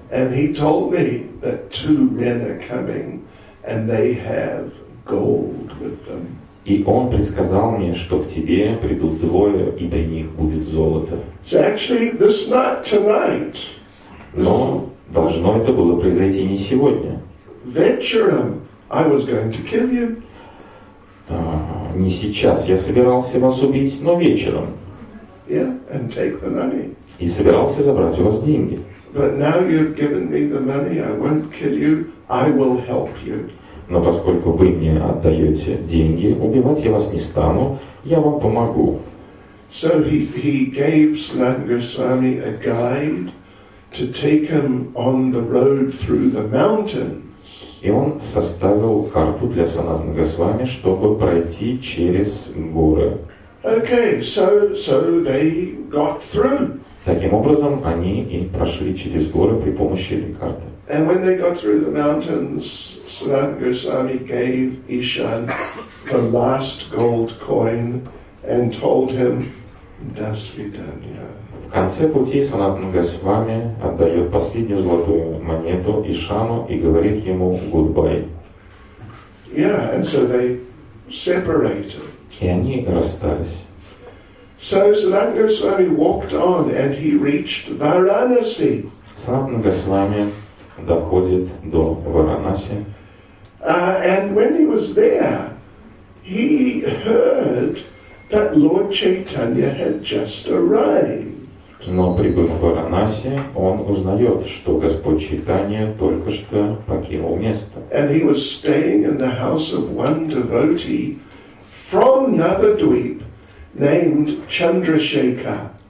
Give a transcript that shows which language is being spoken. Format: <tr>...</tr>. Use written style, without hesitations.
<en>And he told me that two men are coming and they have gold with them.</en> <ru>И он предсказал мне, что к тебе придут двое, и при них будет золото.</ru> <en>So actually, this not tonight.</en> <ru>Но должно это было произойти не сегодня. Вечером</ru> <en>I was going to kill you.</en> <ru>Не сейчас я собирался вас убить, но вечером.</ru> <en>Yeah, and take the money.</en> <ru>И собирался забрать у вас деньги.</ru> <en>But now you've given me the money, I won't kill you, I will help you.</en> <ru>Но поскольку вы мне отдаете деньги, убивать я вас не стану, я вам помогу.</ru> <en>So he gave Sanatan Goswami a guide to take him on the road through the mountains.</en> <ru>И он составил карту для Санатан Госвами, чтобы пройти через горы.</ru> <en>Okay, so they got through.</en> <ru>Таким образом, они и прошли через горы при помощи этой карты.</ru> <en>And when they got through the mountains, Sanatan Goswami gave Ishan the last gold coin and told him, "Das vidanya."</en> <ru>В конце пути Санатан Госвами отдает последнюю золотую монету Ишану и говорит ему goodbye.</ru> <en>Yeah, and so they separated.</en> <ru>И они расстались.</ru> <en>So Sanatan Goswami walked on and he reached Varanasi.</en> <ru>Санатан Госвами доходит до Варанаси.</ru> <en>And when he was there, he heard that Lord Chaitanya had just arrived.</en> <ru>Но прибыв в Варанаси, он узнает, что Господь Чайтанья только что покинул место.</ru> <en>And he was staying in the house of one devotee from Navadvip named Chandrasekhar.</en>